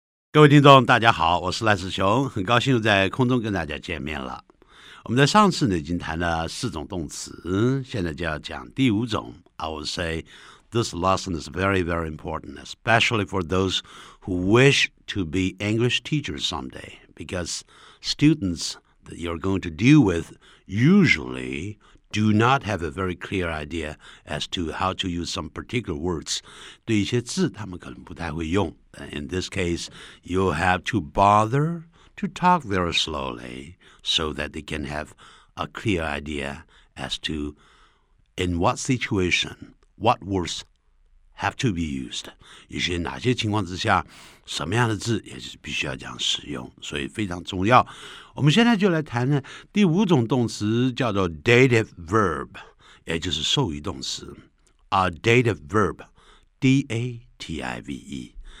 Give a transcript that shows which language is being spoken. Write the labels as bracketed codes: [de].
[zh] 各位听众大家好，我是赖世雄，很高兴又在空中跟大家见面了。我们在上次呢已经谈了四种动词，现在就要讲第五种。 [en] I would say this lesson is very, very important, especially for those who wish to be English teachers someday, because students that you're going to deal with usually do not have a very clear idea as to how to use some particular words. [zh] 对一些字他们可能不太会用。 [en] In this case, you'll have to bother to talk very slowly so that they can have a clear idea as to in what situation, what words have to be used. [zh] 一些哪些情况之下什么样的字也是必须要这样使用，所以非常重要。我们现在就来谈谈第五种动词，叫做 dative verb， 也就是受语动词。 [en] A dative verb， D-A-T-I-V-E。